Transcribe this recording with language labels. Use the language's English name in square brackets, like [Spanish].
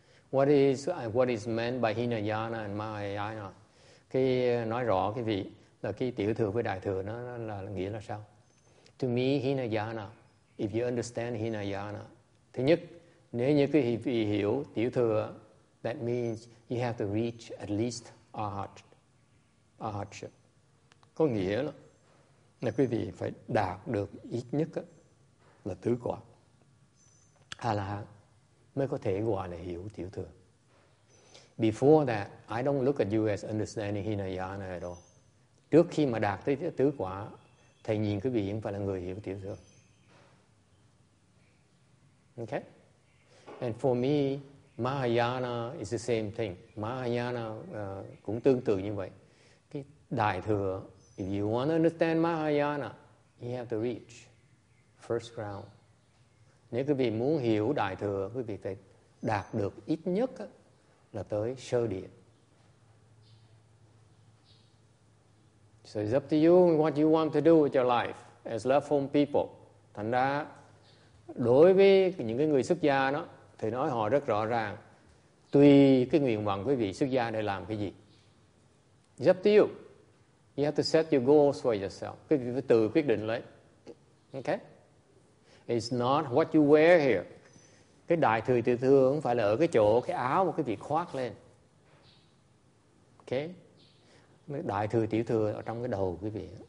[English] What is meant by Hinayana and Mahayana? [Vietnamese] Cái nói rõ quý vị. Là cái tiểu thừa với đại thừa nó là nghĩa là sao? [English] To me, Hinayana, if you understand Hinayana, [Vietnamese] thứ nhất, nếu như quý vị hiểu tiểu thừa, [English] that means you have to reach at least arhatship. [Vietnamese] Có nghĩa là quý vị phải đạt được ít nhất là tứ quả. Hà là mới có thể gọi là hiểu tiểu thừa. [English] Before that, I don't look at you as understanding Hinayana at all. [Vietnamese] Trước khi mà đạt tới tứ quả, thầy nhìn quý vị không phải là người hiểu tiểu thừa. Okay? [English] And for me, Mahayana is the same thing. [Vietnamese] Mahayana cũng tương tự như vậy. Cái đại thừa, [English] if you want to understand Mahayana, you have to reach first ground. [Vietnamese] Nếu quý vị muốn hiểu đại thừa, quý vị phải đạt được ít nhất là tới sơ địa. [English] So it's up to you what you want to do with your life as left home people. [Vietnamese] Thành ra, đối với những cái người xuất gia đó, thì nói họ rất rõ ràng, tùy cái nguyện vọng quý vị xuất gia để làm cái gì. [English] It's up to you. You have to set your goals for yourself. [Vietnamese] Quý vị phải tự quyết định lấy. Okay? [English] It's not what you wear here. [Vietnamese] Cái đại thừa tiểu thừa không phải là ở cái chỗ, cái áo mà quý vị khoác lên. Okay? Đại thừa tiểu thừa ở trong cái đầu quý vị.